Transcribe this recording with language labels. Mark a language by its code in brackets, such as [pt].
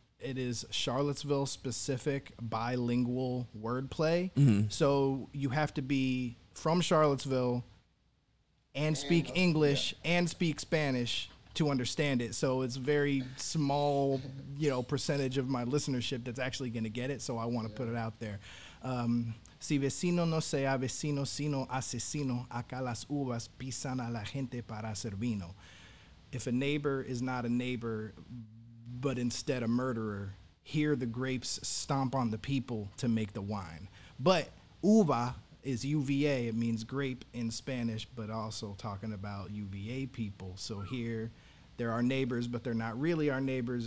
[en] It is Charlottesville specific bilingual wordplay. Mm-hmm. So you have to be from Charlottesville and speak English and speak Spanish to understand it. So it's very small, you know, percentage of my listenership that's actually going to get it. So I want to put it out there. [es] Si vecino no sea vecino, sino asesino, acá las uvas pisan a la gente para hacer vino. [en] If a neighbor is not a neighbor, but instead a murderer, here the grapes stomp on the people to make the wine. But uva is UVA, it means grape in Spanish, but also talking about UVA people. So here there are neighbors, but they're not really our neighbors.